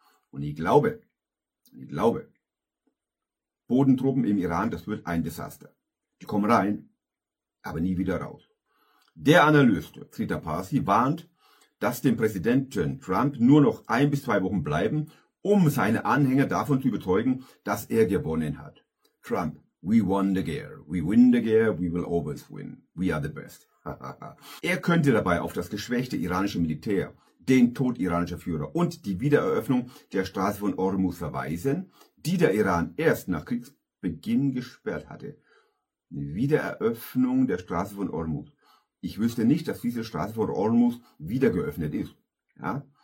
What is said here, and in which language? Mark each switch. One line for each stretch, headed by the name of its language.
German: Und ich glaube, Bodentruppen im Iran, das wird ein Desaster. Die kommen rein, aber nie wieder raus. Der Analyst, Trita Parsi, warnt, dass dem Präsidenten Trump nur noch 1 bis 2 Wochen bleiben, um seine Anhänger davon zu überzeugen, dass er gewonnen hat. Trump.
English: We won the game, we win the game, we will always win. We are the best.
German: Er könnte dabei auf das geschwächte iranische Militär, den Tod iranischer Führer und die Wiedereröffnung der Straße von Ormus verweisen, die der Iran erst nach Kriegsbeginn gesperrt hatte. Eine Wiedereröffnung der Straße von Ormus. Ich wüsste nicht, dass diese Straße von Ormus wieder geöffnet ist. Ja?